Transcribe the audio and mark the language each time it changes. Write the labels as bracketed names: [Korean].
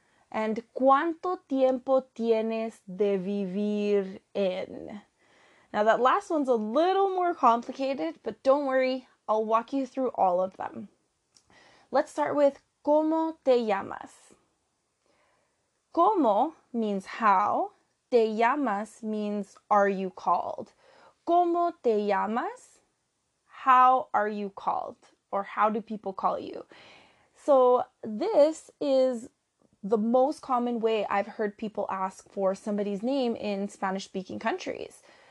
[Spanish] And ¿cuánto tiempo tienes de vivir en? [English] Now that last one's a little more complicated, but don't worry, I'll walk you through all of them. Let's start with [Spanish] ¿Cómo te llamas? ¿Cómo [English] means how? [Spanish] ¿Te llamas [English] means are you called? [Spanish] ¿Cómo te llamas? [English] How are you called? Or how do people call you? So this is the most common way I've heard people ask for somebody's name in Spanish-speaking countries.